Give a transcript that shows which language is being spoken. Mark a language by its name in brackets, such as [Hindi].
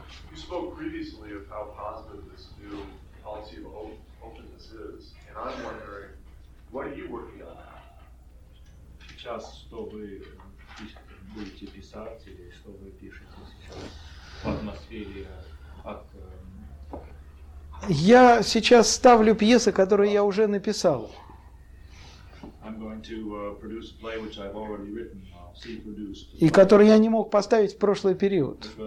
[English] You spoke previously of how positive this new policy of openness is, and I'm wondering, what are you working on now? [Russian] Сейчас, что вы будете писать, или что вы пишете сейчас в атмосфере от... Я сейчас ставлю пьесы, которые я уже написал. [English] I'm going to produce a play which I've already written. [Russian] И который я не мог поставить в прошлый период.